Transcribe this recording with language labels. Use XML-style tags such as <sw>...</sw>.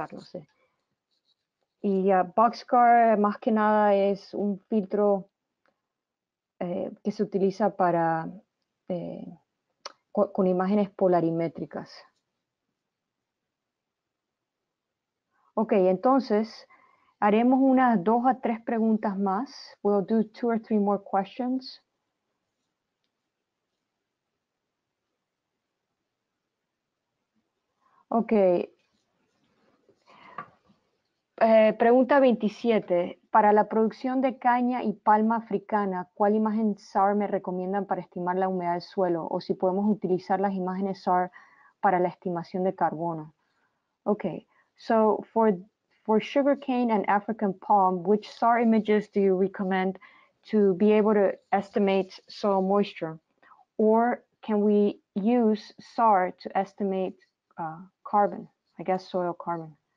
<es>Sí. Y Boxcar más que nada es un filtro que se utiliza para con imágenes polarimétricas. Ok, entonces haremos unas dos a tres preguntas más.</es> <en>We'll do two or three more questions. Ok.</en> <es>Pregunta 27. Para la producción de caña y palma africana, ¿cuál imagen SAR me recomiendan para estimar la humedad del suelo? ¿O si podemos utilizar las imágenes SAR para la estimación de carbono? Ok.</es> <en>So, for sugarcane and African palm, which SAR images do you recommend to be able to estimate soil moisture? Or can we use SAR to estimate carbon, I guess soil carbon?</en>